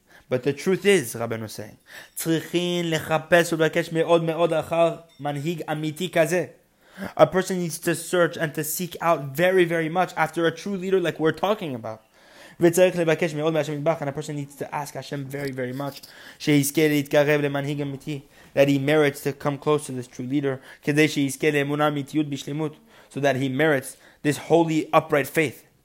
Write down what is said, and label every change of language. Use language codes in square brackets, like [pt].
[en] But the truth is, Rabbeinu is saying, [he] צריכים לחפש ולבקש מאוד מאוד אחר מנהיג אמיתי כזה. [en] A person needs to search and to seek out very, very much after a true leader like we're talking about. [he] וצריך לבקש מאוד מהשם יתברך, [en] and a person needs to ask Hashem very, very much, [he] שיזכה להתקרב למנהיג אמיתי, [en] that he merits to come close to this true leader, [he] כדי שיזכה לאמונה אמיתיות בשלמות, [en] so that he merits this holy, upright faith.